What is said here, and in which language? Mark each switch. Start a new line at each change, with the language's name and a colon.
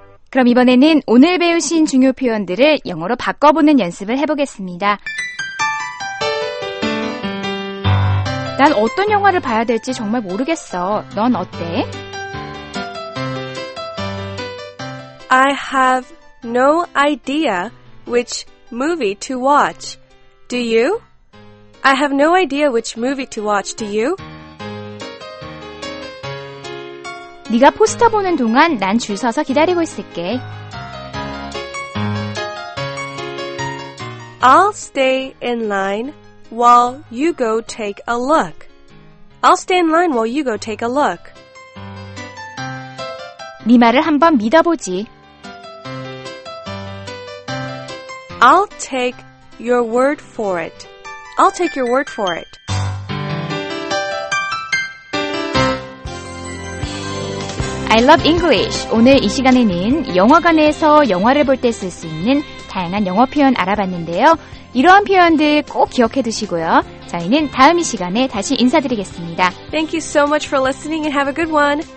Korean: 그럼 이번에는 오늘 배우신 중요 표현들을 영어로 바꿔보는 연습을 해보겠습니다. 난 어떤 영화를 봐야 될지 정말 모르겠어. 넌 어때?
English: I have no idea which movie to watch. Do you? I have no idea which movie to watch. Do you?
Korean: 네가 포스터 보는 동안 난 줄 서서 기다리고 있을게.
English: I'll stay in line while you go take a look. I'll stay in line while you go take a look.
Korean: 네 말을 한번 믿어보지.
English: I'll take your word for it. I'll take your word for it. 'I love English.'
Korean: 오늘 이 시간에는 영화관에서 영화를 볼 때 쓸 수 있는 다양한 영어 표현 알아봤는데요. 이러한 표현들 꼭 기억해 두시고요. 저희는 다음 이 시간에 다시 인사드리겠습니다.
English: Thank you so much for listening and have a good one.